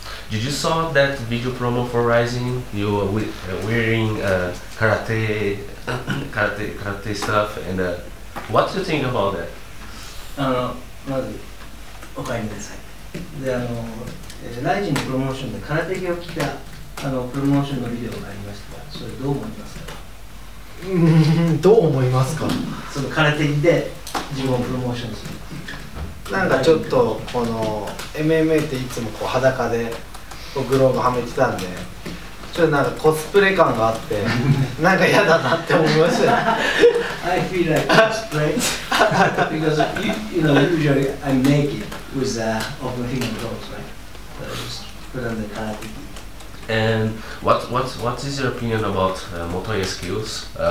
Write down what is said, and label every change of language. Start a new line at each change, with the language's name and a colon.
English: Did you saw that video promo for Rising? You were wearing karate stuff, and what do you think about that?
Japanese: まず、おかえりなさい。で、Rising プロモーションで空手着を着たプロモーションのビデオがありましたが、それどう思いますか？どう思いますか？その空手着で自分をプロモーションするっていう。なんかちょっとこの MMA っていつもこう裸でグローブはめてたんで、ちょっとなんかコスプレ感があってなんか嫌だなって思いました。
English: I feel like cosplay because you know usually I'm naked with the overhanging clothes, right? But I just put on the 空手着。 And what is your opinion about Motoya skills?